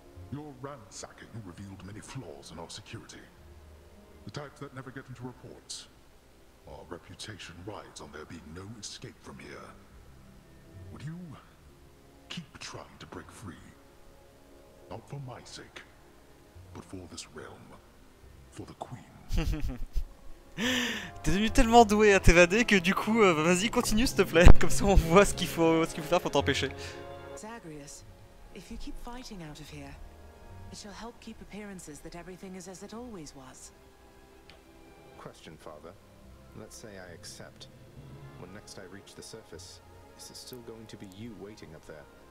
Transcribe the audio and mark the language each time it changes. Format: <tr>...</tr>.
<en>Your ransacking revealed many flaws in our security. The types that never get into reports. Our reputation rides on there being no escape from here. Would you keep trying to break free? Not for my sake, but for this realm, for the queen.</en> <fr>T'es devenu tellement doué à t'évader que du coup, vas-y, continue s'il te plaît, comme ça on voit ce qu'il faut faire pour t'empêcher.</fr> <en>Zagreus, if you keep fighting out of here, it shall help keep appearances that everything is as it always was. Question, father. Let's say I accept. When next I reach the surface, is it still going to be you waiting up there?</en>